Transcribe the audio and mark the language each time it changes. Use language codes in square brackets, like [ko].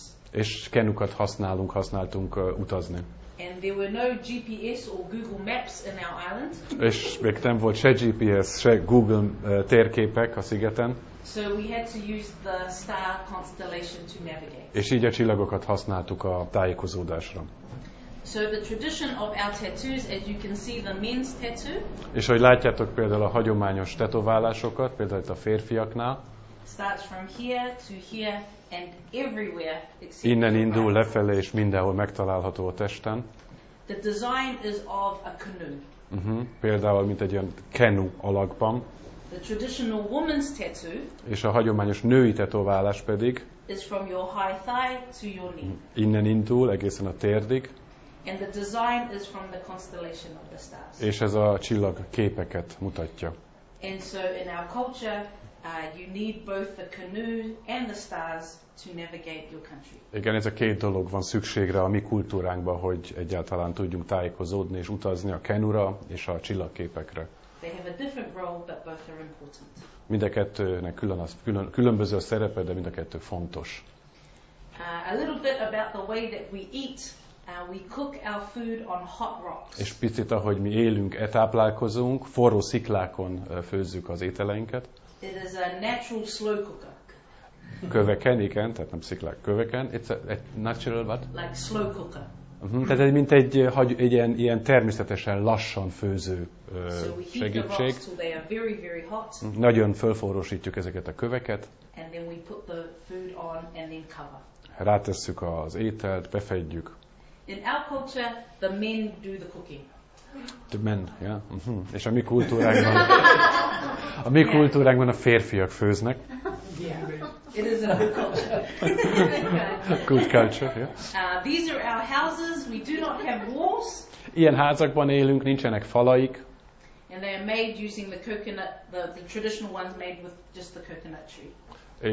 [hu] És kenukat használtunk utazni. [en] And there were no GPS or Google Maps in our island. [hu] És még nem volt se GPS, se Google térképek a szigeten. [en] So we had to use the star constellation to navigate. [hu] És így a csillagokat használtuk a tájékozódásra. [en] So the tradition of our tattoos, as you can see, the men's tattoo. [hu] És ahogy látjátok például a hagyományos tetoválásokat, például itt a férfiaknál. [en] Starts from here to here and everywhere. [hu] Innen indul lefelé és mindenhol megtalálható a testen. [en] The design is of a canoe. Uh-huh. [hu] Például mint egy ilyen kenu alakban. [en] The traditional woman's tattoo. [hu] És a hagyományos női tetoválás pedig. [en] Is from your high thigh to your knee. [hu] Innen indul egészen a térdig. [en] And the design is from the constellation of the stars. [hu] És ez a csillag képeket mutatja. [en] And so in our culture, you need both the canoe and the stars to navigate your country. [hu] Igen, ez a két dolog van szükségre a mi kultúránkban, hogy egyáltalán tudjunk tájékozódni és utazni, a kenura és a csillagképekre. [en] They have a different role, but both are important. [hu] Mind a kettőnek különböző a szerepe, de mind a kettő fontos. [en] A little bit about the way that we eat. We cook our food on hot rocks. [hu] És picit, ahogy mi élünk, táplálkozunk, forró sziklákon főzzük az ételeinket. [en] It is a natural slow cooker. [hu] Köveken, igen, tehát nem sziklák, köveken. [en] It's a natural what? Like slow cooker. [hu] Tehát ez mint egy ilyen természetesen lassan főző segítség. [en] So we heat the rocks till they are very, very hot. [hu] Nagyon fölforrósítjuk ezeket a köveket. [en] And then we put the food on and then cover. [hu] Rátesszük az ételt, befedjük. [en] In our culture, the men do the cooking. The men, yeah. Mm-hmm. [hu] És a mi kultúránkban, a férfiak főznek. [en] Yeah, it is a good culture. Good culture, yeah. These are our houses. We do not have walls. [hu] Ilyen házakban élünk, nincsenek falaik. [en] And they are made using the coconut, the traditional ones made with just the coconut tree.